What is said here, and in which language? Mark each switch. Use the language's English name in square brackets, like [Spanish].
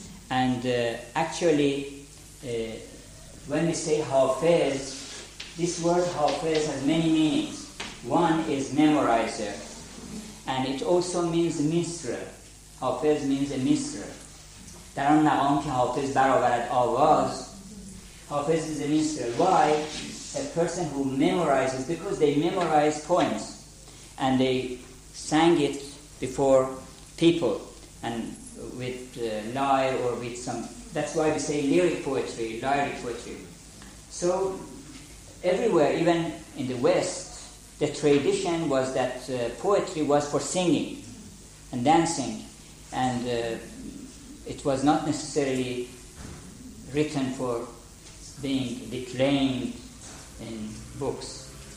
[English] And actually, when we say Hafez, this word Hafez has many meanings. One is memorizer, and it also means minstrel. Hafez means a minstrel. [Persian] در آن مقام که حافظ برآورد آواز حافظ [English] is a minstrel. Why? A person who memorizes, because they memorize poems and they sang it before people and with lyre or with some, that's why we say lyric poetry. So everywhere, even in the West, the tradition was that poetry was for singing and dancing, and it was not necessarily written for being declaimed in books.